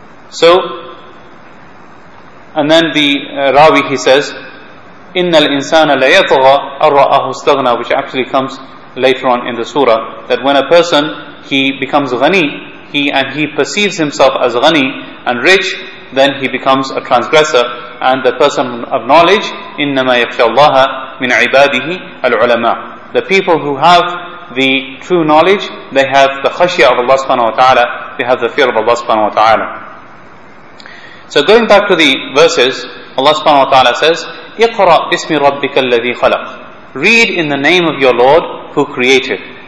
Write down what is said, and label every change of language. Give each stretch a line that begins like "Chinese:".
English: So, and then the Rawi, he says,
Arabic: إِنَّ الْإِنسَانَ لَيَطْغَى أَرَّأَهُ اسْتَغْنَى,
English: which actually comes later on in the surah, that when a person, he becomes ghani, he perceives himself as ghani and rich, then he becomes a transgressor. And the person of knowledge,
Arabic: إِنَّمَا يَخْشَى اللَّهَ مِنْ عِبَادِهِ الْعُلَمَاءِ.
English: The people who have the true knowledge, they have the khashya of Allah subhanahu wa ta'ala, they have the fear of Allah subhanahu wa ta'ala. So going back to the verses, Allah subhanahu wa ta'ala says,
Arabic: اِقْرَأْ بِاسْمِ رَبِّكَ الَّذِي خَلَقْ.
English: Read in the name of your Lord who created.